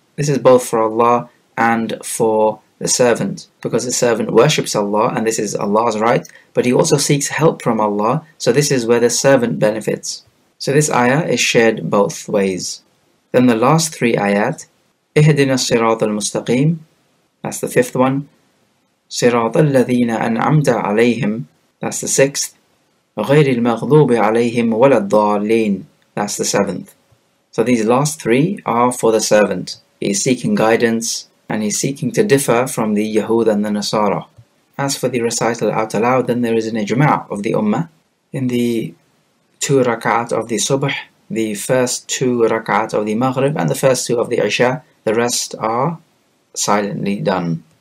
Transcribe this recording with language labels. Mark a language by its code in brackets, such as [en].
[en] This is both for Allah and for the servant, because the servant worships Allah, and this is Allah's right, but he also seeks help from Allah, so this is where the servant benefits. So this ayah is shared both ways. Then the last 3 ayat, [ar] اِهْدِنَا الصِّرَاطَ الْمُسْتَقِيمِ [en] That's the 5th one. [ar] صِرَاطَ الَّذِينَ أَنْعَمْتَ عَلَيْهِمْ [en] That's the 6th. [ar] غَيْرِ الْمَغْضُوبِ عَلَيْهِمْ وَلَا الضَّالِينَ [en] That's the 7th. So these last 3 are for the servant. He's seeking guidance, and he's seeking to differ from the Yahud and the Nasara. As for the recital out aloud, then there is an ijma' of the ummah. In the 2 rak'at of the subh, the first 2 rak'at of the maghrib, and the first 2 of the isha, the rest are silently done.